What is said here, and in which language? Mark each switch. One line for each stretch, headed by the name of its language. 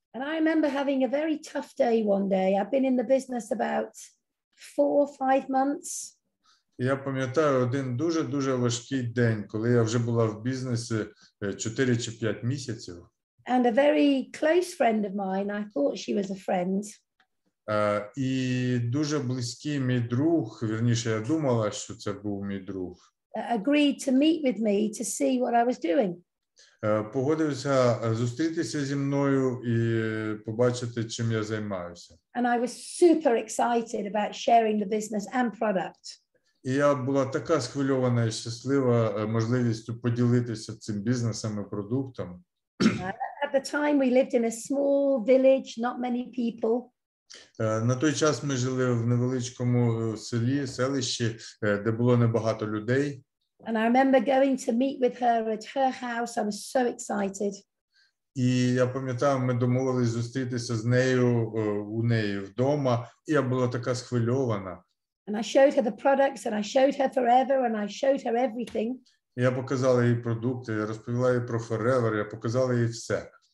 English: And I remember having a very tough day one day. I've been in the business about 4-5 months.
Ukrainian: Я пам'ятаю один дуже-дуже важкий день, коли я вже була в бізнесі 4 чи 5 місяців.
English: And a very close friend of mine, I thought she was a friend.
Ukrainian: І дуже близький мій друг, вірніше, я думала, що це був мій друг.
English: Agreed to meet with me to see what I was doing.
Ukrainian: Погодився зустрітися зі мною і побачити, чим я займаюся.
English: And I was super excited about sharing the business and product.
Ukrainian: І я була така схвильована і щаслива можливістю поділитися цим бізнесом і продуктом.
English: At the time we lived in a small village, not many people.
Ukrainian: На той час ми жили в невеличкому селищі, де було небагато людей.
English: And I remember going to meet with her at her house. I was so excited.
Ukrainian: І я пам'ятаю, ми домовились зустрітися з нею у неї вдома, і я була така схвильована.
English: And I showed her the products and I showed her Forever and I showed her everything.
Ukrainian: Я показала їй продукти, я розповіла їй про Forever, я показала їй все.